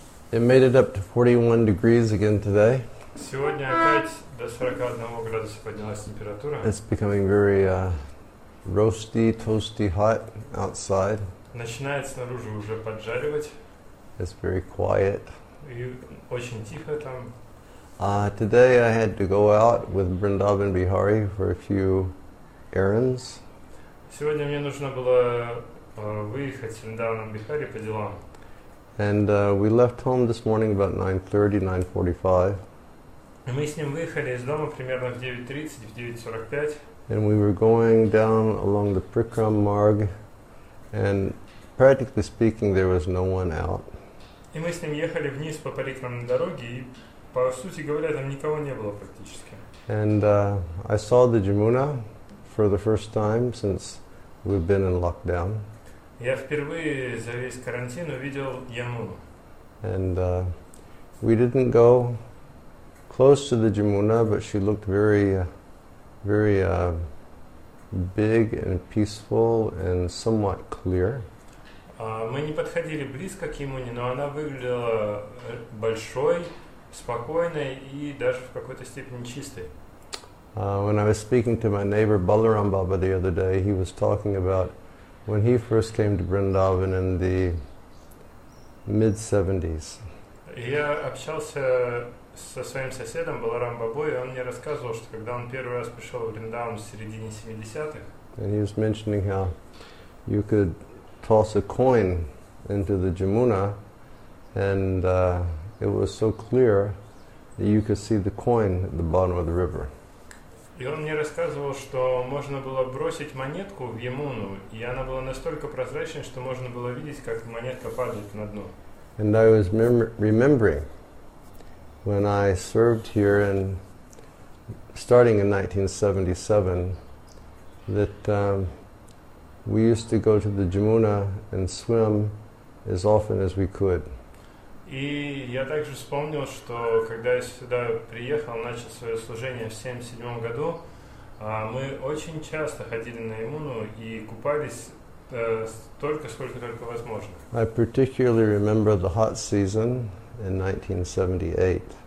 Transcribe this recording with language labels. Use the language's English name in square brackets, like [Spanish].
[English] It made it up to 41 degrees again today. [Russian] Сегодня опять до 41 градуса поднялась температура. [English] It's becoming very roasty, toasty hot outside. [Russian] Начинает снаружи уже поджаривать. [English] It's very quiet. [Russian] И очень тихо там. [English] Today I had to go out with Vrindavan Bihari for a few errands. [Russian] Сегодня мне нужно было выехать с Вриндаваном Бихари по делам. [English] And we left home this morning about 9:30, 9:45. [Russian] Мы с ним выехали из дома примерно в 9:30, в 9:45. [English] And we were going down along the Prikram Marg, and practically speaking, there was no one out. [Russian] И мы с ним ехали вниз по Парикрамной дороге, и по сути говоря, там никого не было практически. [English] And I saw the Jamuna for the first time since we've been in lockdown. [Russian] Я впервые за весь карантин увидел Ямуну. [English] And we didn't go close to the Jamuna, but she looked very, very big and peaceful and somewhat clear. [Russian] Мы не подходили близко к Ямуне, но она выглядела большой, спокойной и даже в какой-то степени чистой. [English] When I was speaking to my neighbor Balaram Baba the other day, he was talking about when he first came to Vrindavan in the mid-70s. [Russian] Я общался со своим соседом Баларам Бабой, и он мне рассказывал, что когда он первый раз пришел в Вриндаван в середине 70-х. [English] And he was mentioning how you could toss a coin into the Jamuna, and it was so clear that you could see the coin at the bottom of the river. [Russian] И он мне рассказывал, что можно было бросить монетку в Ямуну, и она была настолько прозрачной, что можно было видеть, как монетка падает на дно. [English] And I was remembering when I served here, and starting in 1977, that we used to go to the Jamuna and swim as often as we could. [Russian] И я также вспомнил, что когда я сюда приехал, начал свое служение в 77 году, мы очень часто ходили на Ямуну и купались столько, сколько только возможно. [English] I particularly remember the hot season in 1978.